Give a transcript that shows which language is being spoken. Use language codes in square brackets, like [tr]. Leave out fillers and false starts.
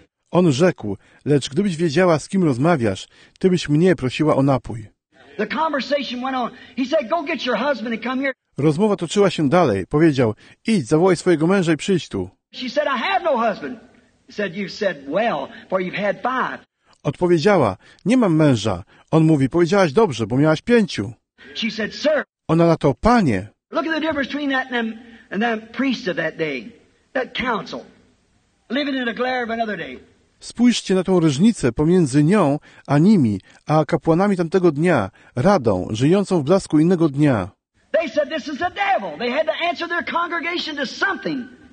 [pl] On rzekł, lecz gdybyś wiedziała, z kim rozmawiasz, ty byś mnie prosiła o napój. [en] The conversation went on. He said, go get your husband and come here. [pl] Rozmowa toczyła się dalej. Powiedział, idź, zawołaj swojego męża i przyjdź tu. [en] She said, I have no husband. He said, you've said well, for you've had five. [pl] Odpowiedziała, nie mam męża. On mówi, powiedziałaś dobrze, bo miałaś pięciu. [en] She said, sir. [pl] Ona na to, panie. [en] Look at the difference between that and that priest of that day, that council, living in the glare of another day. [pl] Spójrzcie na tą różnicę pomiędzy nią a nimi, a kapłanami tamtego dnia, radą, żyjącą w blasku innego dnia. [en] They said this is the devil. They had to answer their congregation to something.